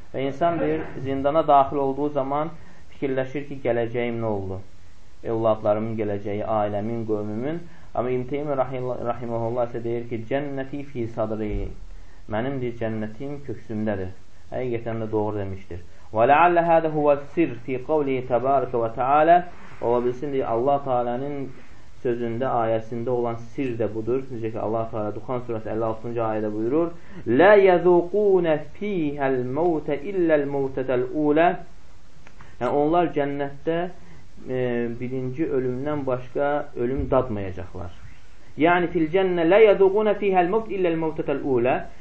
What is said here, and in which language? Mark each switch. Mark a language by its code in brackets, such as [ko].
[az] Və insan bir zindana daxil olduğu zaman fikirləşir ki, gələcəyim nə oldu? Evladlarımın gələcəyi, ailəmin, qövmümün. Amma İbn Teymiyyə rəhiməhullah isə deyir ki, [ar] cənnəti fi sadri, [az] mənim deyir cənnətim köksümdədir. Həqiqətən də doğru demişdir. [ar] وَلَعَلَّ هَذَا هُوَ السِّرُّ فِي قَوْلِهِ تَبَارَكَ وَتَعَالَى وَبِسْمِ اللَّهِ تَعَالَى [az] sözündə, ayəsində olan sirr də budur. Necə ki Allah Taala Duxan surəsi 56-cı ayədə buyurur: [ar] لَا يَذُوقُونَ فِيهَا الْمَوْتَ إِلَّا الْمَوْتَةَ الْأُولَى. [az] Yəni onlar cənnətdə birinci ölümdən başqa ölüm dadmayacaqlar. Yəni [ar] fil cənnə la yəzuquna fiha al-maut illa al-mautə al-ula.